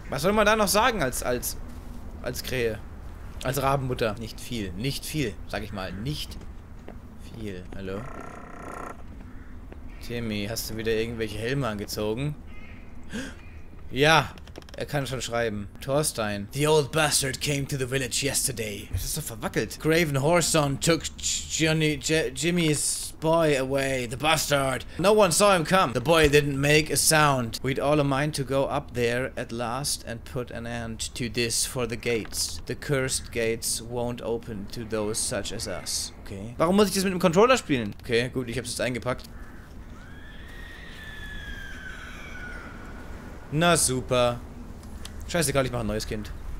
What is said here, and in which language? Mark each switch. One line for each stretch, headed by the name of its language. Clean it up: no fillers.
German: Was soll man da noch sagen als Krähe? Als Rabenmutter? Nicht viel. Nicht viel. Sag ich mal. Nicht viel. Hallo? Timmy, hast du wieder irgendwelche Helme angezogen? Ja. Er kann schon schreiben. Thorstein.
English: The old bastard came to the village yesterday.
German: Das ist doch verwackelt.
English: Craven Horson took Jimmy's boy away. The bastard. No one saw him come. The boy didn't make a sound. We'd all a mind to go up there at last and put an end to this for the gates. The cursed gates won't open to those such as us. Okay.
German: Warum muss ich das mit dem Controller spielen? Okay, gut, ich hab's jetzt eingepackt. Na super. Scheiße, Karl, ich mach ein neues Kind.